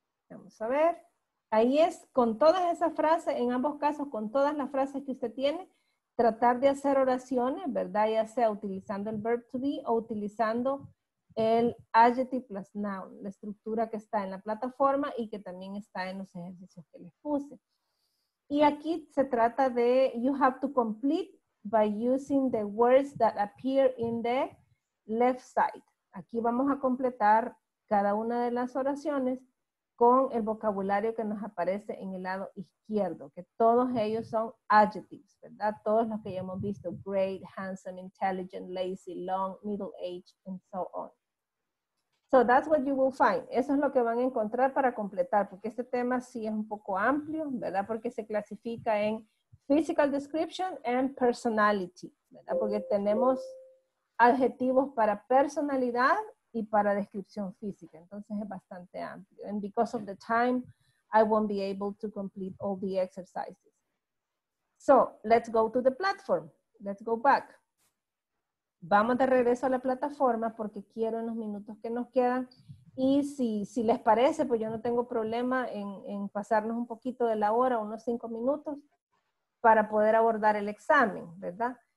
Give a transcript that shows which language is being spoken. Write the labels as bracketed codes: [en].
[es] Vamos a ver. Ahí es, con todas esas frases, en ambos casos, con todas las frases que usted tiene, tratar de hacer oraciones, ¿verdad? Ya sea utilizando el verb to be o utilizando el adjective plus noun, la estructura que está en la plataforma y que también está en los ejercicios que les puse. Y aquí se trata de, [en] you have to complete by using the words that appear in the left side. [es] Aquí vamos a completar cada una de las oraciones con el vocabulario que nos aparece en el lado izquierdo, que todos ellos son adjectives, ¿verdad? Todos los que ya hemos visto, [en] great, handsome, intelligent, lazy, long, middle age, and so on. So that's what you will find. [es] Eso es lo que van a encontrar para completar, porque este tema sí es un poco amplio, ¿verdad? Porque se clasifica en [en] physical description and personality, [es] ¿verdad? Porque tenemos adjetivos para personalidad y para descripción física. Entonces es bastante amplio. [en] And because of the time, I won't be able to complete all the exercises. So, let's go to the platform. Let's go back. [es] Vamos de regreso a la plataforma porque quiero en los minutos que nos quedan. Y si les parece, pues yo no tengo problema en pasarnos un poquito de la hora, unos 5 minutos, para poder abordar el examen, ¿verdad?